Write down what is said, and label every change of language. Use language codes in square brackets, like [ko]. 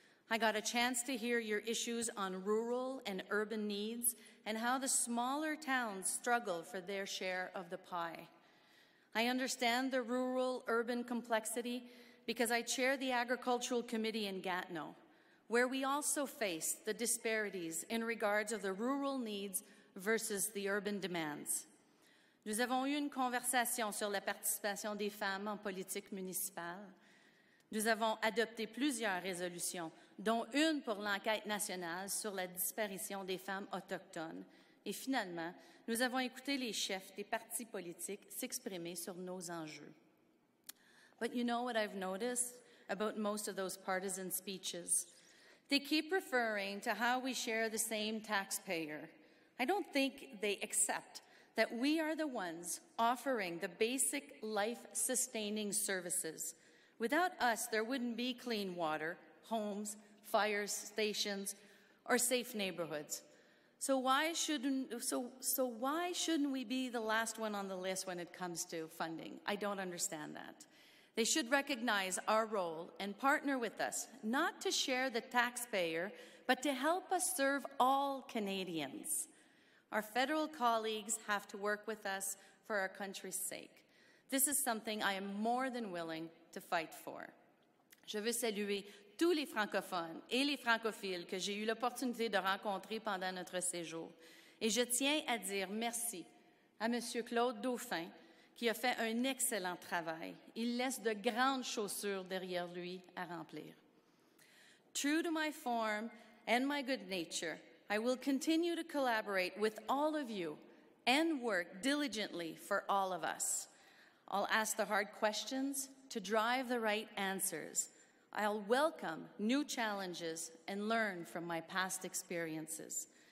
[en] I got a chance to hear your issues on rural and urban needs and how the smaller towns struggle for their share of the pie. I understand the rural-urban complexity because I chair the Agricultural Committee in Gatineau, where we also face the disparities in regards of the rural needs versus the urban demands. [fr] Nous avons eu une conversation sur la participation des femmes en politique municipale. Nous avons adopté plusieurs résolutions, dont une pour l'enquête nationale sur la disparition des femmes autochtones. Et finalement, nous avons écouté les chefs des partis politiques s'exprimer sur nos enjeux. [en] But you know what I've noticed about most of those partisan speeches? They keep referring to how we share the same taxpayer. I don't think they accept that we are the ones offering the basic life-sustaining services. Without us, there wouldn't be clean water, homes, fire stations, or safe neighborhoods. So why shouldn't we be the last one on the list when it comes to funding? I don't understand that. They should recognize our role and partner with us, not to share the taxpayer, but to help us serve all Canadians. Our federal colleagues have to work with us for our country's sake. This is something I am more than willing to fight for. [fr] Je veux saluer tous les francophones et les francophiles que j'ai eu l'opportunité de rencontrer pendant notre séjour. Et je tiens à dire merci à M. Claude Dauphin, qui a fait un excellent travail. Il laisse de grandes chaussures derrière lui à remplir. [en] True to my form and my good nature, I will continue to collaborate with all of you and work diligently for all of us. I'll ask the hard questions to drive the right answers. I'll welcome new challenges and learn from my past experiences.